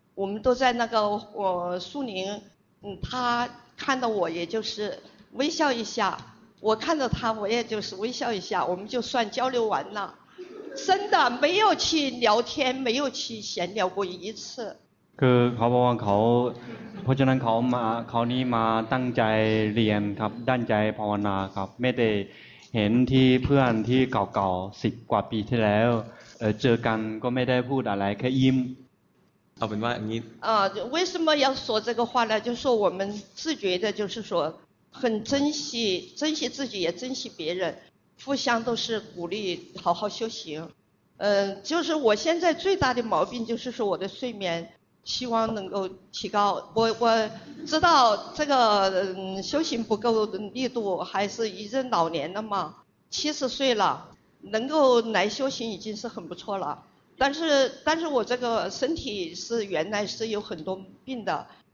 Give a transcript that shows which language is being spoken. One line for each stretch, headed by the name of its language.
Chinese: 我们都在那个树林，他看到我也就是微笑一下，我看到他我也就是微笑一下，我们就算交流完了，真的没有去聊天，没有去闲聊过一次。
Thai: คือเขาบอกว่าเขาเพราะฉะนั้นเขามาคราวนี้มาตั้งใจเรียนครับดั้งใจภาวนาครับไม่ได้เห็นที่เพื่อนที่เก่าๆสิบกว่าปีที่แล้วเจอกันก็ไม่ได้พูดอะไรแค่ยิ้ม เอาเป็นว่าอย่างนี้
Chinese: 为什么要说这个话呢就是说我们自觉的就是说很珍惜珍惜自己也珍惜别人互相都是鼓励好好修行就是我现在最大的毛病就是说我的睡眠希望能够提高我知道这个修行不够的力度还是一阵老年的嘛七十岁了能够来修行已经是很不错了但是我这个身体是原来是有很多病的